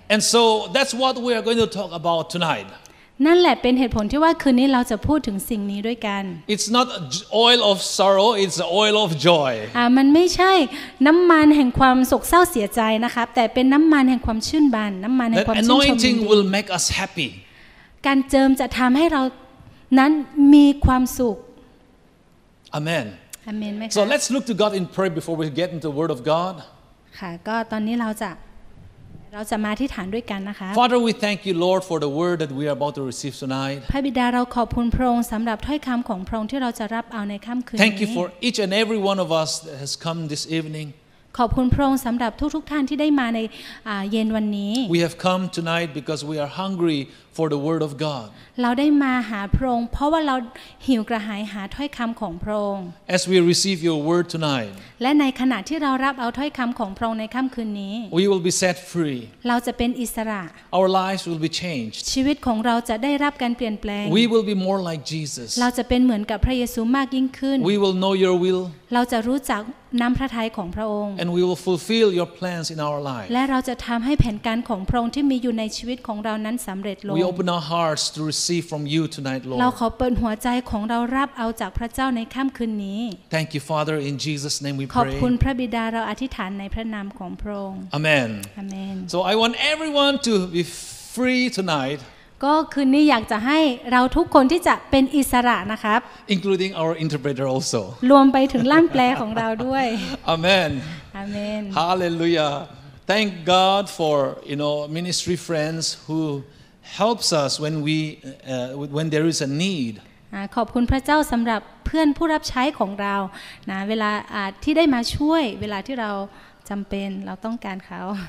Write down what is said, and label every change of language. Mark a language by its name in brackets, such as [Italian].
[English] And so that's what we are going to talk about tonight. [Thai] นั่นแหละเป็นเหตุผลที่ว่าคืนนี้เราจะพูดถึงสิ่งนี้ด้วยกัน [English] It's not oil of sorrow it's oil of joy [Thai] มันไม่ใช่น้ำมันแห่งความโศกเศร้าเสียใจนะครับแต่เป็นน้ำมันแห่งความชื่นบานน้ำมันแห่งความชื่นชมยินดี [English] The anointing will make us happy [Thai] การเจิมจะทำให้เรานั้นมีความสุข [English] Amen [Thai] Amen ไหมคะ [English] So let's look to God in prayer before we get into the word of God [Thai] ค่ะก็ตอนนี้เราจะมาอธิษฐานด้วยกันนะคะ [English] Father we thank you Lord for the word that we are about to receive tonight [Thai] พระบิดาเราขอบคุณพระองค์สำหรับถ้อยคำของพระองค์ที่เราจะรับเอาในค่ำคืนนี้ [English] Thank you for each and every one of us that has come this evening [Thai] ขอบคุณพระองค์สำหรับทุกท่านที่ได้มาในเย็นวันนี้ [English] We have come tonight because we are hungry for the word of God [Thai] เราได้มาหาพระองค์เพราะว่าเราหิวกระหายหาถ้อยคำของพระองค์ [English] As we receive your word tonight [Thai] และในขณะที่เรารับเอาถ้อยคำของพระองค์ในค่ำคืนนี้ [English] We will be set free [Thai] เราจะเป็นอิสระ [English] Our lives will be changed [Thai] ชีวิตของเราจะได้รับการเปลี่ยนแปลง [English] We will be more like Jesus [Thai] เราจะเป็นเหมือนกับพระเยซูมากยิ่งขึ้น [English] We will know your will [Thai] เราจะรู้จักน้ำพระทัยของพระองค์ [English] And we will fulfill your plans in our lives [Thai] และเราจะทำให้แผนการของพระองค์ที่มีอยู่ในชีวิตของเรานั้นสำเร็จลง [English] We open our hearts to receive from you tonight Lord [Thai] เราขอเปิดหัวใจของเรารับเอาจากพระเจ้าในค่ำคืนนี้ [English] Thank you Father in Jesus name we [Thai] pray ขอบคุณพระบิดาเราอธิษฐานในพระนามของพระองค์ [English] Amen Amen So I want everyone to be free tonight [Thai] ก็คืนนี้อยากจะให้เราทุกคนที่จะเป็นอิสระนะครับ [English] including our interpreter also [Thai] รวมไปถึงล่ามแปลของเราด้วย [English] Amen Amen Hallelujah Thank God for you know ministry friends who helps us when we when there is a need [Thai] ขอบคุณพระเจ้าสำหรับเพื่อนผู้รับใช้ของเรานะเวลาที่ได้มาช่วยเวลาที่เราจำเป็นเราต้องการเขา